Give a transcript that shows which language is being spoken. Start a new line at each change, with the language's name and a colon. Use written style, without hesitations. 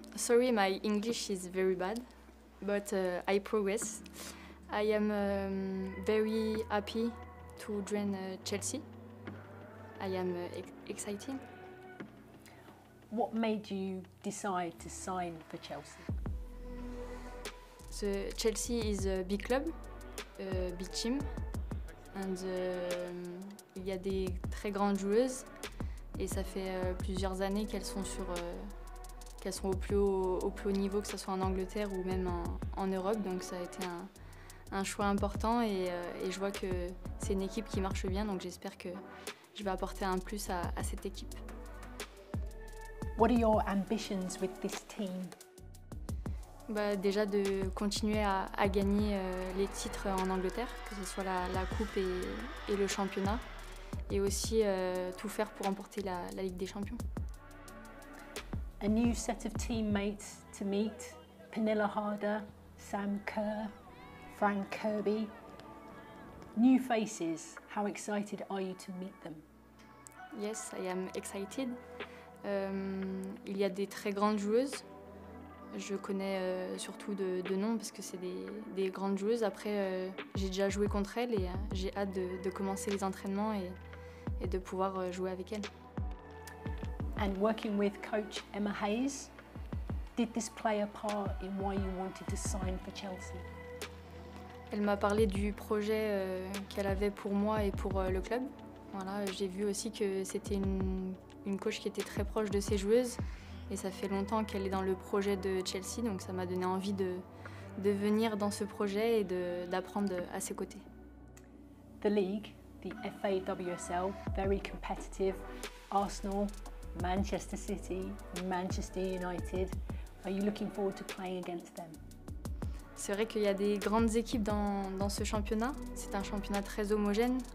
English: Sorry, my English is very bad, but I progress. I am very happy to join Chelsea. I am excited. What made you decide to sign for Chelsea? So Chelsea is a big club, a big team, and
French: il y a des très grandes joueuses et ça fait plusieurs années qu'elles sont sur qu'elles sont au plus haut niveau, que ce soit en Angleterre ou même en Europe. Donc ça a été un choix important et je vois que c'est une équipe qui marche bien, donc j'espère que je vais apporter un plus à cette équipe.
English: What are your ambitions with this team?
French: Bah, déjà de continuer à gagner les titres en Angleterre, que ce soit la coupe et le championnat. Et aussi tout faire pour remporter la Ligue des Champions.
English: A new set of teammates to meet: Pernilla Harder, Sam Kerr, Frank Kirby. New faces. How excited are you to meet them? Yes, I am excited.
French: Il y a des très grandes joueuses. Je connais surtout de nom parce que c'est des grandes joueuses. Après, j'ai déjà joué contre elles et j'ai hâte de commencer les entraînements et de pouvoir jouer avec elle.
English: And working with coach Emma Hayes, did this play a part in why you wanted to sign for Chelsea?
French: Elle m'a parlé du projet qu'elle avait pour moi et pour le club. Voilà, j'ai vu aussi que c'était une coach qui était très proche de ses joueuses et ça fait longtemps qu'elle est dans le projet de Chelsea, donc ça m'a donné envie de venir dans ce projet et d'apprendre à ses côtés.
English: The league, the FAWSL, very competitive. Arsenal, Manchester City, Manchester United. Are you looking forward to playing against them?
French: C'est vrai qu'il y a des grandes équipes dans ce championnat. C'est un championnat très homogène.